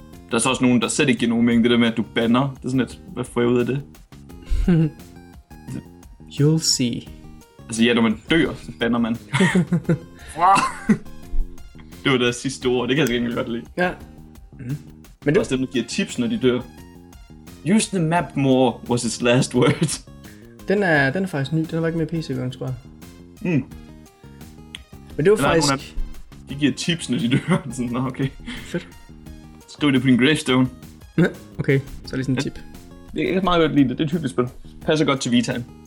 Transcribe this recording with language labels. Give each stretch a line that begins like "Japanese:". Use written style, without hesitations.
Danish: Der er så også nogen, der slet ikke giver nogen mening. Det der med, at du banner, det er sådan lidt, hvad får jeg ud af det?
English: You'll see.
Danish: Altså ja, når man dør, så banner man. Det var deres sidste ord, det kan jeg sikkert godt lide. Ja. Men det er også dem, der giver tips, når de dør.
English: Use the map more was his last word.
Danish: Den er faktisk ny, den var ikke med PC, tror jeg. Men det var den faktisk... De giver tips, når de dør. Sådan, nå, okay. Fedt. Skriv det på din gravestone. Okay, så er det sådan en tip. Jeg kan meget godt lide det, det er et hyggeligt spil. Passer godt til Vita'en.